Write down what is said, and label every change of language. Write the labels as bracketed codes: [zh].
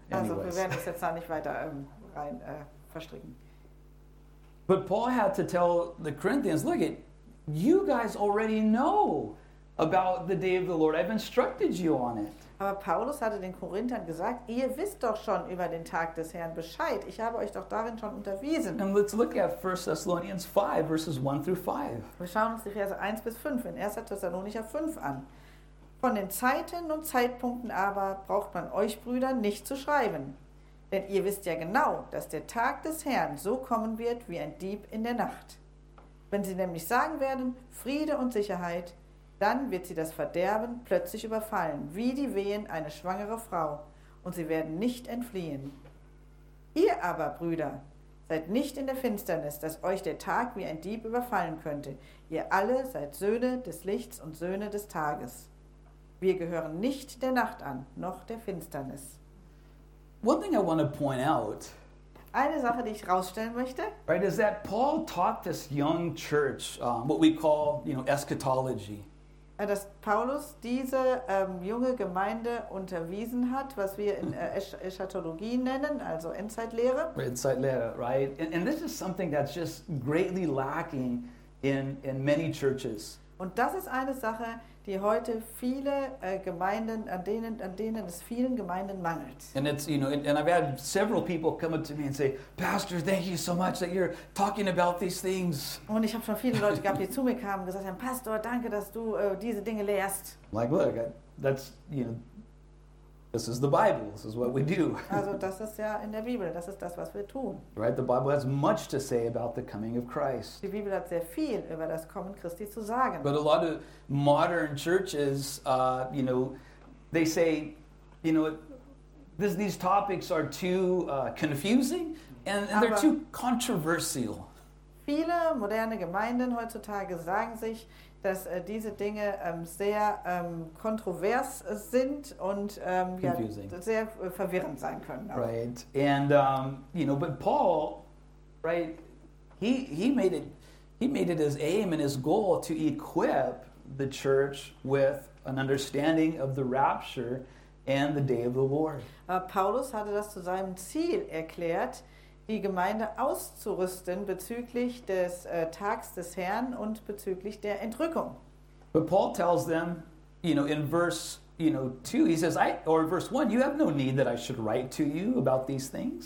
[de] Also wir werden das jetzt da nicht weiter verstricken. [en] But Paul had to tell the Corinthians, look it, you guys already know about the day of the Lord. I've instructed you on it. [de] Aber Paulus hatte den Korinthern gesagt, ihr wisst doch schon über den Tag des Herrn Bescheid. Ich habe euch doch darin schon unterwiesen. And let's look at 1 Thessalonians 5, verses 1 through 5. Wir schauen uns die Verse 1 bis 5 in 1. Thessalonicher 5 an. Von den Zeiten und Zeitpunkten aber braucht man euch, Brüder, nicht zu schreiben. Denn ihr wisst ja genau, dass der Tag des Herrn so kommen wird wie ein Dieb in der Nacht. Wenn sie nämlich sagen werden, Friede und Sicherheit, dann wird sie das Verderben plötzlich überfallen, wie die Wehen einer schwangeren Frau, und sie werden nicht entfliehen. Ihr aber, Brüder, seid nicht in der Finsternis, dass euch der Tag wie ein Dieb überfallen könnte. Ihr alle seid Söhne des Lichts und Söhne des Tages. Wir gehören nicht der Nacht an, noch der Finsternis. [en] One thing I want to point out. [de] Eine Sache, die ich rausstellen möchte. [en] Right, is that Paul taught this young church what we call, you know, eschatology. [de] Dass Paulus diese junge Gemeinde unterwiesen hat, was wir in Eschatologie nennen, also Endzeitlehre. Endzeitlehre, right? [en] And this is something that's just greatly lacking in many churches. [de] Und das ist eine Sache, die heute viele Gemeinden, an denen es vielen Gemeinden mangelt. [en] And it's, you know, and I've had several people come up to me and say, Pastor, thank you so much that you're talking about these things. [de] Und ich habe schon viele Leute gehabt, die zu mir kamen und gesagt haben, Pastor, danke, dass du diese Dinge lehrst. [en] Like, look, that's, you know, this is the Bible. This is what we do. [de] Also das ist ja in der Bibel. Das ist das, was wir tun. [en] Right, the Bible has much to say about the coming of Christ. [de] Die Bibel hat sehr viel über das Kommen Christi zu sagen. [en] But a lot of modern churches, you know, they say, you know, these topics are too confusing and they're too controversial. [de] Viele moderne Gemeinden heutzutage sagen sich, dass diese Dinge sehr kontrovers sind und sehr verwirrend sein können. Auch. Right. [en] And you know, but Paul, right, he made it his aim and his goal to equip the church with an understanding of the rapture and the day of the Lord. [de] Paulus hatte das zu seinem Ziel erklärt, die Gemeinde auszurüsten bezüglich des Tags des Herrn und bezüglich der Entrückung. [en] But Paul tells them, you know, in verse, you know, 2, he says, verse 1, you have no need that I should write to you about these things.